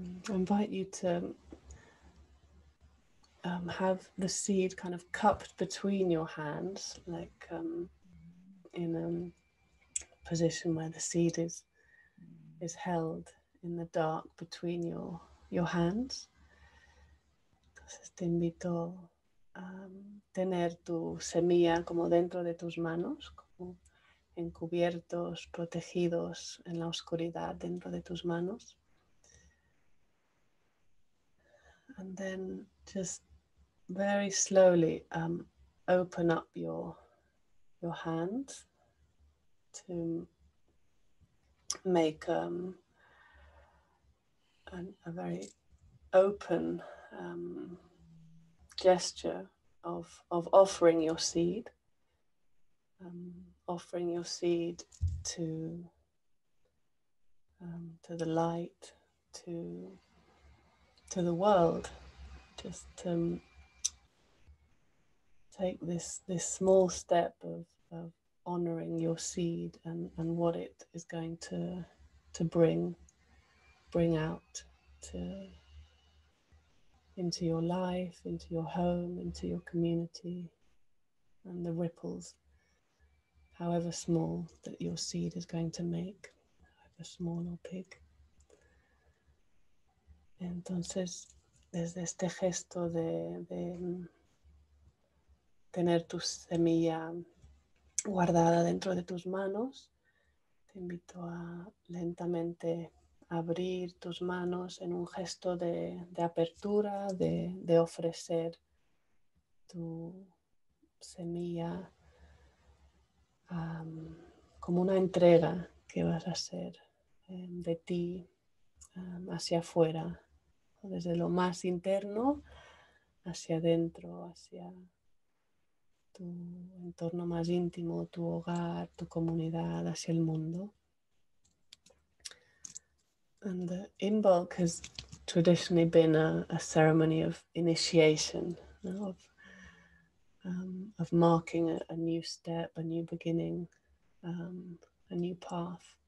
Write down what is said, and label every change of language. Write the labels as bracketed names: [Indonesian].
[English] I invite you to have the seed kind of cupped between your hands, like in a position where the seed is held in the dark between your hands. [Spanish] Entonces te invito a tener tu semilla como dentro de tus manos, como encubiertos, protegidos en la oscuridad dentro de tus manos. [English] And then just very slowly open up your hands to make a very open gesture of offering your seed, offering your seed to the light, to the world, just to take this small step of honoring your seed and what it is going to bring out into your life, into your home, into your community, and the ripples, however small that your seed is going to make, however small or big. [Spanish] Entonces, desde este gesto de tener tu semilla guardada dentro de tus manos, te invito a lentamente abrir tus manos en un gesto de apertura, de ofrecer tu semilla como una entrega que vas a hacer de ti hacia afuera. Desde lo más interno hacia adentro, hacia tu entorno más íntimo, tu hogar, tu comunidad, hacia el mundo. [English] And the imbolc has traditionally been a ceremony of initiation, you know, of marking a new step, a new beginning, a new path.